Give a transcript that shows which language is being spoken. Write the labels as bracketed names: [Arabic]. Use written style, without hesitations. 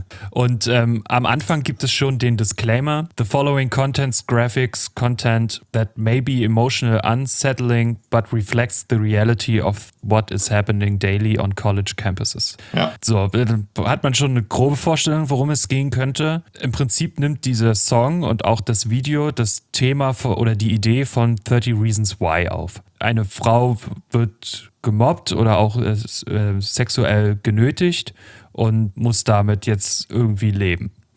[German] Und am Anfang gibt es schon den Disclaimer. [English] The following contents, graphics, content that may be emotional unsettling, but reflects the reality of what is happening daily on college campuses. [German] Ja. So, hat man schon eine grobe Vorstellung, worum es gehen könnte. Im Prinzip nimmt dieser Song und auch das Video das Thema oder die Idee von 30 Reasons Why auf. Eine Frau wird gemobbt oder auch sexuell genötigt und muss damit jetzt irgendwie leben.